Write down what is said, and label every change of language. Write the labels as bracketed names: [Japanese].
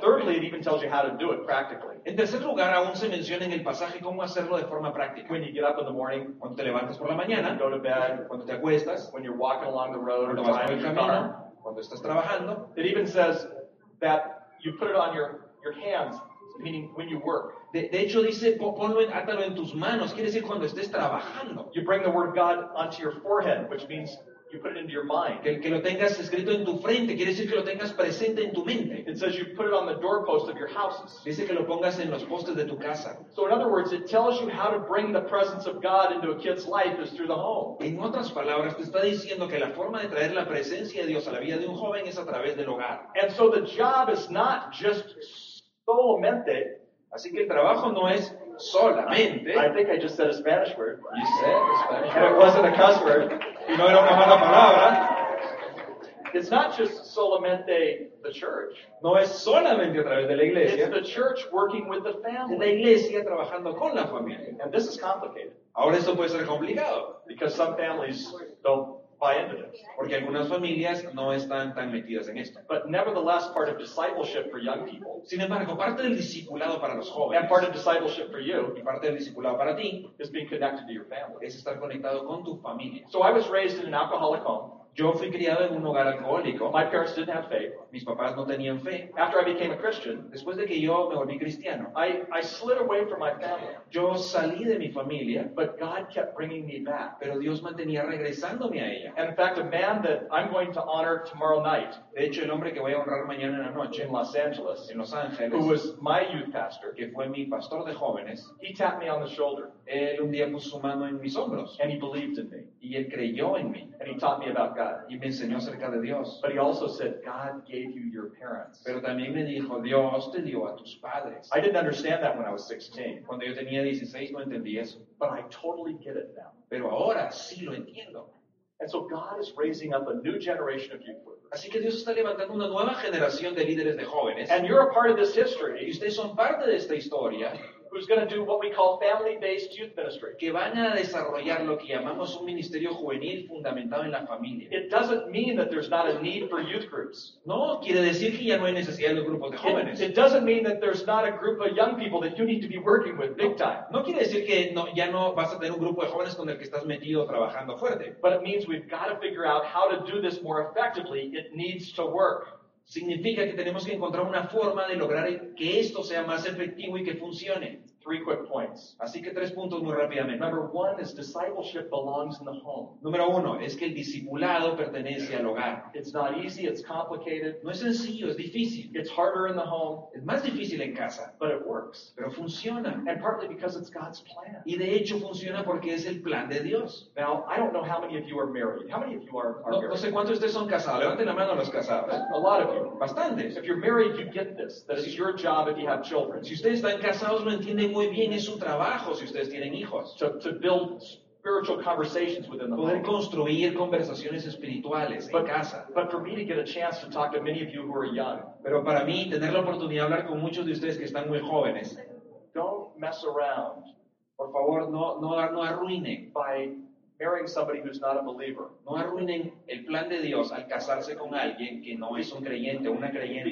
[English] Thirdly, fe. It even tells you how to do it practically. [Spanish] En tercer lugar, aún se menciona en el pasaje cómo hacerlo de forma práctica. [English] When you get up in the morning, [Spanish] cuando te levantas por la mañana, [English] go to bed, [Spanish] cuando te acuestas, [English] when you're walking along the road, [Spanish] cuando vas por el camino, cuando estás trabajando. [English] It even says that you put it on your hands, meaning when you work. [Spanish] De hecho dice, ponlo, átalo en tus manos, quiere decir cuando estés trabajando. [English] You bring the word of God onto your forehead, which means you put it into your mind. [Spanish] Que lo tengas escrito en tu frente, quiere decir que lo tengas presente en tu mente. [English] It says you put it on the doorpost of your houses. [Spanish] Dice que lo pongas en los postes de tu casa. [English] So in other words, it tells you how to bring the presence of God into a kid's life is through the home. [Spanish] En otras palabras, te está diciendo que la forma de traer la presencia de Dios a la vida de un joven es a través del hogar. [English] And so the job is not just solamente. [Spanish] Así que el trabajo no es solamente. [English] I think I just said a Spanish word. You said a Spanish word. And it wasn't a cuss word. [Spanish] Y no era una mala palabra. [English] It's not just solamente the church. [Spanish] No es solamente a través de la iglesia. [English] It's the church working with the family. [Spanish] La iglesia trabajando con la familia. [English] And this is complicated. [Spanish] Ahora esto puede ser complicado. [English] Because some families don't buy into this. [Spanish] Porque algunas familias no están tan metidas en esto. [English] But nevertheless, part of discipleship for young people. [Spanish] Sin embargo, parte del discipulado para los jóvenes. [English] And part of discipleship for you. [Spanish] Y parte del discipulado para ti. [English] Is being connected to your family. [Spanish] Es estar conectado con tu familia. [English] So I was raised in an alcoholic home. [Spanish] Yo fui criado en un hogar alcohólico. [English] My parents didn't have faith. [Spanish] Mis papás no tenían fe. [English] After I became a Christian, [Spanish] después de que yo me volví cristiano, [English] I slid away from my family. [Spanish] Yo salí de mi familia, [English] but God kept bringing me back. [Spanish] Pero Dios mantenía regresándome a ella. [English] And in fact, a man that I'm going to honor tomorrow night, [Spanish] de hecho, el hombre que voy a honrar mañana en la noche, [English] in Los Angeles, [Spanish] en Los Ángeles, [English] who was my youth pastor, [Spanish] que fue mi pastor de jóvenes, [English] he tapped me on the shoulder. [Spanish] Él un día puso su mano en mis hombros. [English] And he believed in me. [Spanish] Y él creyó en mí. [English] And he taught me about God. [Spanish] Y me enseñó acerca de Dios. [English] But he also said, God gave you your parents. [Spanish] Pero también me dijo, Dios te dio a tus padres. [English] I didn't understand that when I was 16. [Spanish] Cuando yo tenía 16, no entendí eso. [English] But I totally get it now. [Spanish] Pero ahora sí lo entiendo. [English] And so God is raising up a new generation of youth workers. [Spanish] Así que Dios está levantando una nueva generación de líderes de jóvenes. [English] And you're a part of this history. [Spanish] Y ustedes son parte de esta historia. [English] Who's going to do what we call family-based youth ministry. [Spanish] Que van a desarrollar lo que llamamos un ministerio juvenil fundamentado en la familia. [English] It doesn't mean that there's not a need for youth groups. [Spanish] No, quiere decir que ya no hay necesidad de grupos de jóvenes. [English] It doesn't mean that there's not a group of young people that you need to be working with big time. [Spanish] No quiere decir que no, ya no vas a tener un grupo de jóvenes con el que estás metido trabajando fuerte. [English] But it means we've got to figure out how to do this more effectively. It needs to work. [Spanish] Significa que tenemos que encontrar una forma de lograr que esto sea más efectivo y que funcione. [English] Three quick points. [Spanish] Así que tres puntos muy rápidamente. [English] Number one is discipleship belongs in the home. [Spanish] Número uno es que el discipulado pertenece al hogar. [English] It's not easy, it's complicated. [Spanish] No es sencillo, es difícil. [English] It's harder in the home. [Spanish] Es más difícil en casa. [English] But it works. [Spanish] Pero funciona. [English] And partly because it's God's plan. [Spanish] Y de hecho funciona porque es el plan de Dios. [English] Now, I don't know how many of you are married. How many of you are [Spanish] no, [English] married? [Spanish] No sé cuántos de ustedes son casados. Levanten la mano los casados. [English] A lot of you. [Spanish] Bastantes. [English] If you're married, you get this. That it's your job if you have children. [Spanish] Si ustedes están casados, lo entienden muy bien, es su trabajo si ustedes tienen hijos. [English] To build spiritual conversations within the [Spanish] poder home. Construir conversaciones espirituales [English] but, [Spanish] en casa. [English] But for me to get a chance to talk to many of you who are young. [Spanish] Pero para mí, tener la oportunidad de hablar con muchos de ustedes que están muy jóvenes. [English] Don't mess around. [Spanish] Por favor, no arruinen. [English] By marrying somebody who's not a believer. [Spanish] No arruinen el plan de Dios al casarse con alguien que no es un creyente o una creyente.